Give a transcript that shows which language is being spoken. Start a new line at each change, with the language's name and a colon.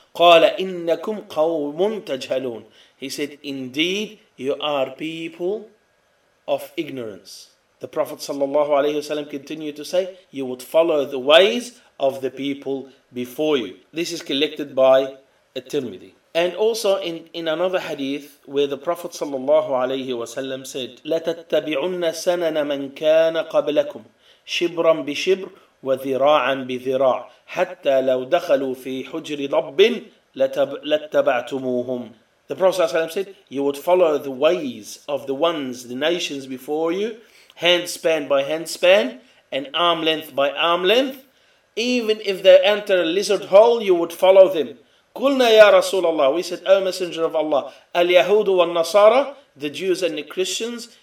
Arabic: قال إنكم قوم تجهلون.
English: He said, indeed you are people of ignorance. The Prophet sallallahu alayhi wasallam continued to say, you would follow the ways of the people before you. This is collected by At-Tirmidhi. And also in another hadith where the Prophet sallallahu alayhi wa sallam said,
Arabic: لَتَتَّبِعُنَّ سَنَنَ مَنْ كَانَ قَبْلَكُمْ شِبْرًا بِشِبْرٍ وَذِرَاعًا بِذِرَاعٍ حَتَّى لَوْ دَخَلُوا فِي حُجْرِ ضَبٍ لَتَّبَعْتُمُوهُمْ.
English: The Prophet sallallahu alayhi wa sallam said, you would follow the ways of the ones, the nations before you, hand span by hand span and arm length by arm length. Even if they enter a lizard hole, you would follow them.
Arabic: قُلْنَا يَا رَسُولَ اللَّهِ.
English: We said, O Messenger of Allah,
Arabic: الْيَهُودُ وَالنَّصَارَى,
English: the Jews and the Christians.